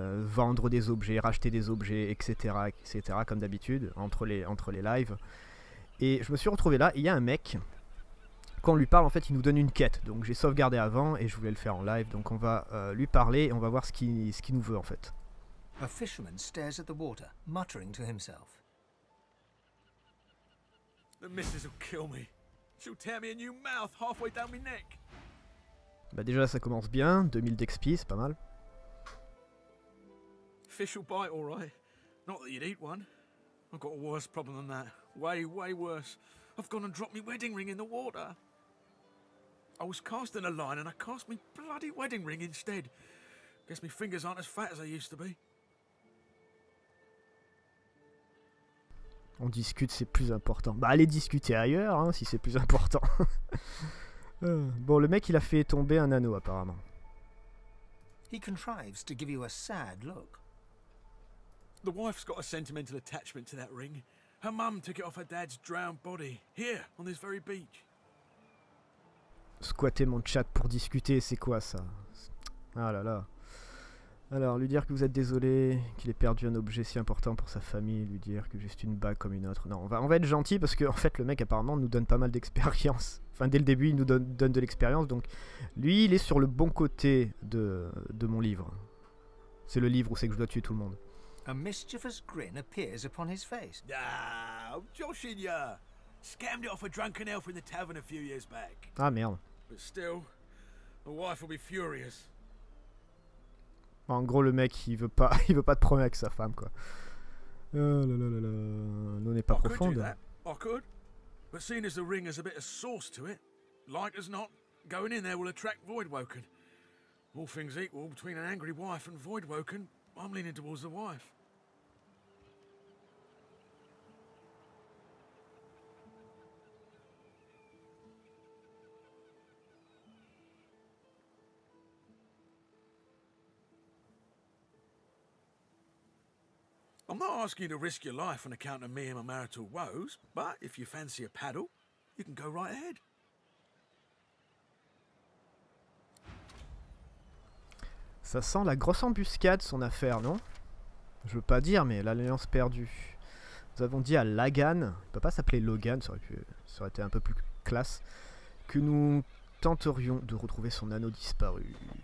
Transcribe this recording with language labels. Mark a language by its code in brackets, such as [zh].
[fr] vendre des objets, racheter des objets, etc. etc. comme d'habitude, entre les lives. Et je me suis retrouvé là, il y a un mec... Quand on lui parle, en fait, il nous donne une quête. Donc j'ai sauvegardé avant et je voulais le faire en live. Donc on va lui parler et on va voir ce qu'il nous veut, en fait. [en] A fisherman stares at the water, muttering to himself. The missus will kill me. She'll tear me a new mouth halfway down my neck. [fr] Bah déjà, ça commence bien. 2000 d'XP, c'est pas mal. [en] Fish will bite, all right. Not that you'd eat one. I've got a worse problem than that. Way, way worse. I've gone and dropped my wedding ring in the water. I was casting a line and I cast my bloody wedding ring instead. Guess my fingers aren't as fat as they used to be. [fr] On discute, c'est plus important. Bah allez discuter ailleurs, hein, si c'est plus important. Bon, le mec, il a fait tomber un anneau, apparemment. [en] He contrives to give you a sad look. The wife's got a sentimental attachment to that ring. Her mum took it off her dad's drowned body, here, on this very beach. [fr] Squatter mon chat pour discuter, c'est quoi ça? Ah là là. Alors, lui dire que vous êtes désolé, qu'il ait perdu un objet si important pour sa famille, lui dire que juste une bague comme une autre. Non, on va être gentil parce que, en fait, le mec apparemment nous donne pas mal d'expérience. Enfin, dès le début, il nous donne de l'expérience, donc lui, il est sur le bon côté de mon livre. C'est le livre où c'est que je dois tuer tout le monde. [en] A mischievous grin appears upon his face. Ah, I'm joshing ya! Scammed it off a drunken elf in the tavern a few years back. [fr] Ah, merde. [en] But still, the wife will be furious. [fr] En gros, le mec, il veut pas de problème avec sa femme, quoi. Oh là là là là. Non, on n'est pas profonde. [en] I could, but seeing as the ring has a bit of sauce to it, like as not, going in there will attract Voidwoken. All things equal, between an angry wife and Voidwoken, I'm leaning towards the wife. I'm not asking you to risk your life on account of me and my marital woes, but if you fancy a paddle, you can go right ahead. [fr] Ça sent la grosse embuscade, son affaire, non? Je veux pas dire, mais l'alliance perdue. Nous avons dit à Lagan, il peut pas s'appeler Logan, ça aurait été un peu plus classe, que nous tenterions de retrouver son anneau disparu.